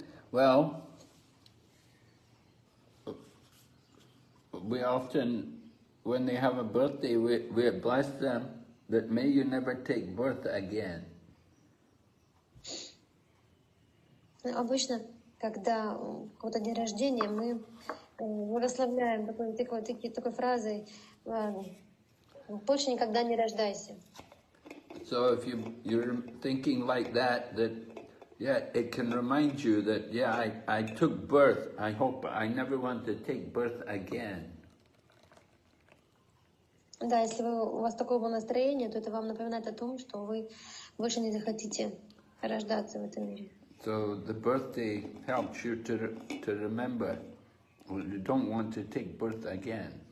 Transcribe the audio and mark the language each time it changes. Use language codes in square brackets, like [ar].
[en] Well, we often, when they have a birthday, we bless them that may you never take birth again. [ru] Обычно, когда какой-то день рождения, мы благословляем такой фразой: больше никогда не рождайся. [en] So if you're thinking like that, that yeah, it can remind you that yeah, I took birth. I hope I never want to take birth again. [ru] Да, если у вас такое было настроение, то это вам напоминает о том, что вы больше не захотите рождаться в этом мире. [en] So the birthday helps you to remember. You don't want to take birth again.